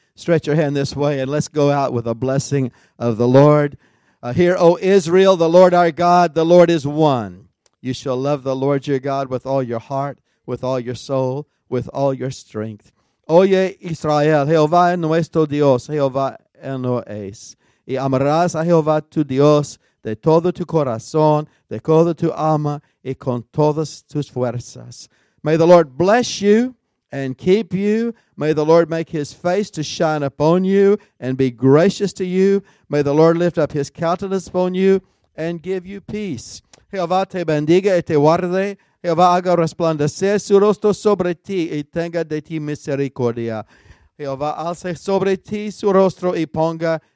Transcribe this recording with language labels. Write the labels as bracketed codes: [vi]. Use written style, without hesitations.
[en] Stretch your hand this way, and let's go out with a blessing of the Lord. Hear, O Israel, the Lord our God, the Lord is one. You shall love the Lord your God with all your heart, with all your soul, with all your strength. [es] Oye, Israel, Jehová es nuestro Dios, Jehová no es. Y amarás a Jehová tu Dios de todo tu corazón, de todo tu alma, y con todas tus fuerzas. [en] May the Lord bless you and keep you. May the Lord make his face to shine upon you and be gracious to you. May the Lord lift up his countenance upon you and give you peace. [es] Jehová te bendiga y te guarde. Jehová haga resplandecer su rostro sobre ti y tenga de ti misericordia. Jehová alce sobre ti su rostro y ponga